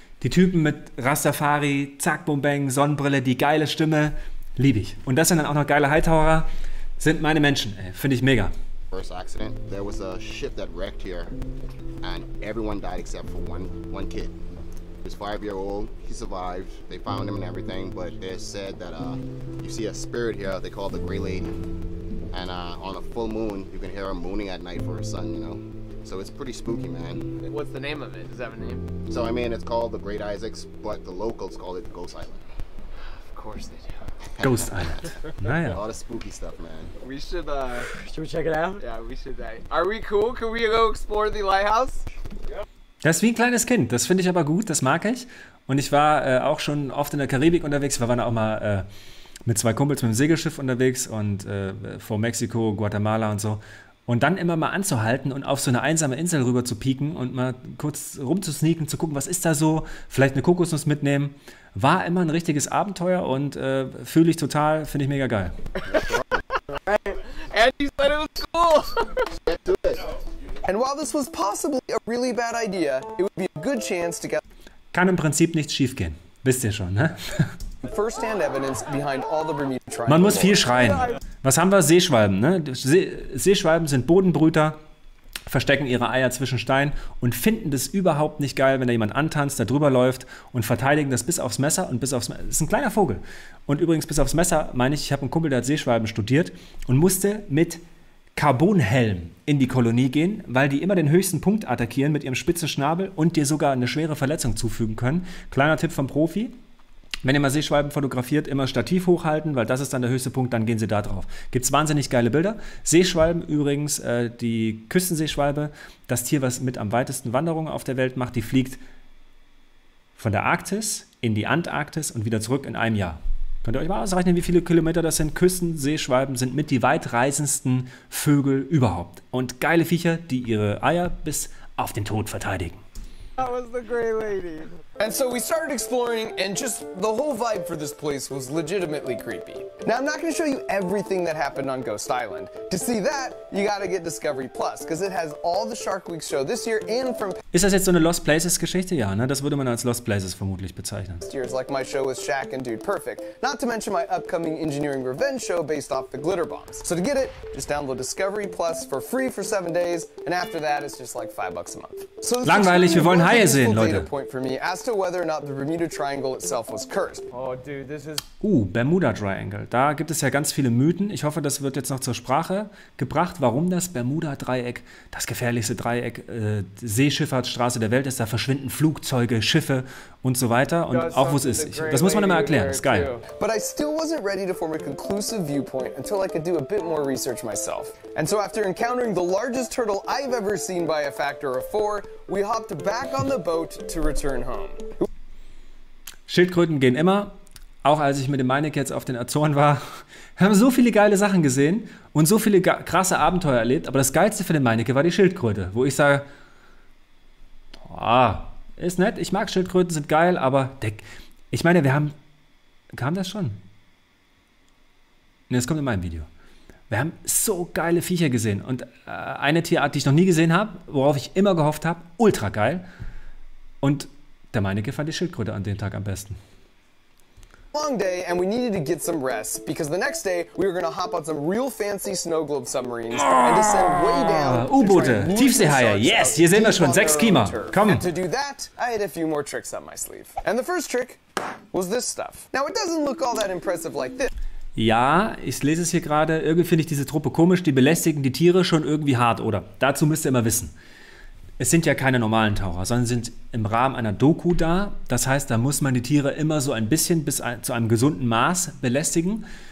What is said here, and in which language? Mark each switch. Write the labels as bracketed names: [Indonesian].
[German] Die Typen mit Rastafari, zack, boom, bang, Sonnenbrille, die geile Stimme, liebe ich. Und das sind dann auch noch geile Hightower, sind meine Menschen, ey, finde ich mega. [English] First accident, there was a ship that wrecked here and everyone died except for one kid. He was 5 years old, he survived, they found him and everything, but they said that you see a spirit here, they call the Grey Lady. And on a full moon, you can hear her mooning at night for her son, you know. So it's pretty spooky, man. What's the name of it? Does it have a name? So, I mean, it's called the Great Isaacs, but the locals call it Ghost Island. Of course they do. Ghost Island. Naja. A lot of spooky stuff, man. We should, Should we check it out? Yeah, we should. Are we cool? Can we go explore the lighthouse? [German] Das ist wie ein kleines Kind. Das finde ich aber gut. Das mag ich. Und ich war auch schon oft in der Karibik unterwegs. Wir waren auch mal mit zwei Kumpels mit dem Segelschiff unterwegs und vor Mexiko, Guatemala und so. Und dann immer mal anzuhalten und auf so eine einsame Insel rüber zu pieken und mal kurz rumzusneaken, zu gucken, was ist da so, vielleicht eine Kokosnuss mitnehmen, war immer ein richtiges Abenteuer und fühle ich total, finde ich mega geil. [English] And he said it was cool. And while this was possibly a really bad idea, it would be a good chance to get. [German] kann im Prinzip nichts schief gehen. Wisst ihr schon, ne? [English] First-hand evidence behind all the Bermuda Triangle. [German] Man muss viel schreien. Was haben wir? Seeschwalben, ne? Seeschwalben sind Bodenbrüter, verstecken ihre Eier zwischen Steinen und finden das überhaupt nicht geil, wenn da jemand antanzt, da drüber läuft und verteidigen das bis aufs Messer und bis aufs Messer. Das ist ein kleiner Vogel. Und übrigens bis aufs Messer meine ich, ich habe einen Kumpel, der hat Seeschwalben studiert und musste mit Carbonhelm in die Kolonie gehen, weil die immer den höchsten Punkt attackieren mit ihrem spitzen Schnabel und dir sogar eine schwere Verletzung zufügen können. Kleiner Tipp vom Profi. Wenn ihr mal Seeschwalben fotografiert, immer Stativ hochhalten, weil das ist dann der höchste Punkt, dann gehen sie da drauf. Gibt's wahnsinnig geile Bilder. Seeschwalben übrigens, die Küstenseeschwalbe, das Tier, was mit am weitesten Wanderungen auf der Welt macht, die fliegt von der Arktis in die Antarktis und wieder zurück in einem Jahr. Könnt ihr euch mal ausrechnen, wie viele Kilometer das sind? Küstenseeschwalben sind mit die weitreisendsten Vögel überhaupt. Und geile Viecher, die ihre Eier bis auf den Tod verteidigen. [English] That was the gray lady. And so we started exploring, and just the whole vibe for this place was legitimately creepy. Now, I'm not going to show you everything that happened on Ghost Island. To see that, you got to get Discovery Plus, because it has all the Shark Week show this year and from... [German] Ist das jetzt so eine Lost Places-Geschichte? Ja, ne? Das würde man als Lost Places vermutlich bezeichnen. [English] ...years like my show with Shaq and Dude Perfect, not to mention my upcoming Engineering Revenge show based off the Glitter Bombs. So to get it, just download Discovery Plus for free for 7 days, and after that, it's just like $5 a month. So this [German] Langweilig, wir wollen Haie sehen, Leute. [English] ...point for me as to whether or not the Bermuda Triangle itself was cursed. Oh, dude, this is... Bermuda Triangle. [German] Da gibt es ja ganz viele Mythen. Ich hoffe, das wird jetzt noch zur Sprache gebracht, warum das Bermuda-Dreieck das gefährlichste Dreieck Seeschifffahrtsstraße der Welt ist. Da verschwinden Flugzeuge, Schiffe und so weiter. Und auch wo es ist. Das muss man immer erklären. Das ist geil. But I still wasn't ready to form a conclusive viewpoint until I could do a bit more research myself. And so after encountering the largest turtle I've ever seen by a factor of 4, we hopped back on the boat to return home. Schildkröten gehen immer. Auch als ich mit dem Meineke jetzt auf den Azoren war, haben so viele geile Sachen gesehen und so viele krasse Abenteuer erlebt. Aber das Geilste für den Meineke war die Schildkröte, wo ich sage, boah, ist nett, ich mag Schildkröten, sind geil, aber ich meine, wir haben, kam das schon? Ne, das kommt in meinem Video. Wir haben so geile Viecher gesehen und eine Tierart, die ich noch nie gesehen habe, worauf ich immer gehofft habe, ultra geil. Und der Meineke fand die Schildkröte an dem Tag am besten. [English] Long day and we needed to get some rest because the next day we were going to hop on some real fancy snow globe submarines and descend way down. [German] U-Boote, Tiefseehaie. Yes, hier sehen wir schon 6 Kima. Komm. [English] To do that, I had a few more tricks up my sleeve. And the first trick was this stuff. Now it doesn't look all that impressive like this. [German] Ja, ich lese es hier gerade, irgendwie finde ich diese Truppe komisch, die belästigen die Tiere schon irgendwie hart, oder? Dazu müsst ihr immer wissen. Es sind ja keine normalen Taucher, sondern sind im Rahmen einer Doku da. Das heißt, da muss man die Tiere immer so ein bisschen bis zu einem gesunden Maß belästigen.